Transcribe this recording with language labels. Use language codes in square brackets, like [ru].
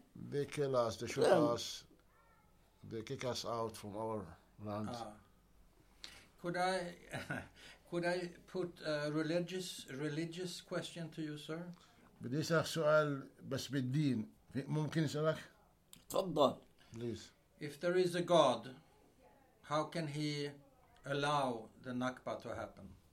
[en] They kill us, they shoot us, they kick us out from our land. Could I put a religious question to you, sir? [ar] بدي أسألك سؤال بس بالدين ممكن أسألك؟ تفضل. [en] Please. If there is a God, how can he allow the Nakba to happen?